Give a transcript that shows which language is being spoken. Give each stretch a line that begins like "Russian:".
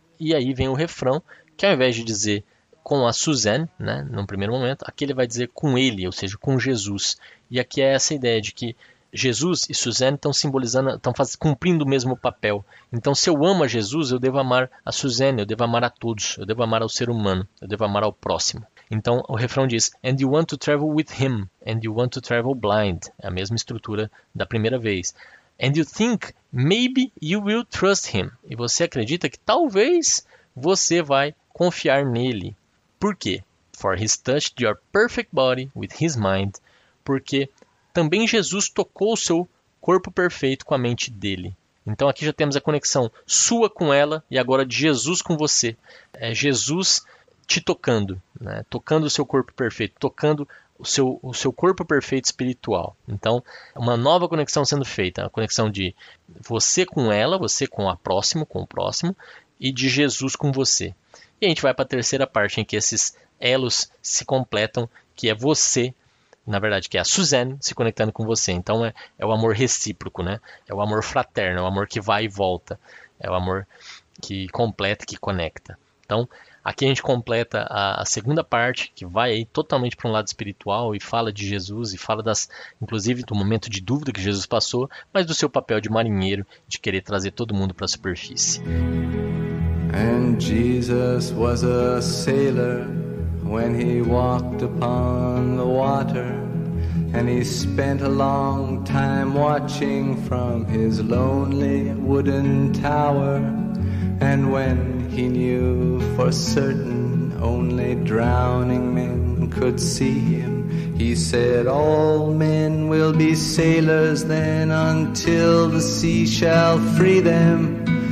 Portuguese: E aí vem o refrão, que ao invés de dizer com a Suzanne, num primeiro momento, aqui ele vai dizer com ele, ou seja, com Jesus. E aqui é essa ideia de que Jesus e Suzanne estão simbolizando, estão cumprindo o mesmo papel. Então, se eu amo a Jesus, eu devo amar a Suzanne, eu devo amar a todos, eu devo amar ao ser humano, eu devo amar ao próximo. Então, o refrão diz,
English: and you want to travel with him, and you want to travel blind.
Portuguese: É a mesma estrutura da primeira vez.
English: And you think, maybe you will trust him.
Portuguese: E você acredita que talvez você vai confiar nele. Por quê?
English: For he's touched your perfect body with his mind.
Portuguese: Porque também Jesus tocou o seu corpo perfeito com a mente dele. Então, aqui já temos a conexão sua com ela e agora de Jesus com você. É Jesus te tocando, tocando o seu corpo perfeito, tocando o seu corpo perfeito espiritual. Então, uma nova conexão sendo feita, a conexão de você com ela, você com o próximo, e de Jesus com você. E a gente vai para a terceira parte, em que esses elos se completam que é você, na verdade, que é a Suzanne se conectando com você. Então é o amor recíproco, né? É o amor fraterno, é o amor que vai e volta. É o amor que completa, que conecta. Então, aqui a gente completa a segunda parte, que vai aí totalmente para um lado espiritual e fala de Jesus e fala das, inclusive do momento de dúvida que Jesus passou, mas do seu papel de marinheiro, de querer trazer todo mundo para a superfície.
English: And Jesus was a sailor when he walked upon the water, and he spent a long time watching from his lonely wooden tower. And when he knew for certain only drowning men could see him, he said, "All men will be sailors then until the sea shall free them."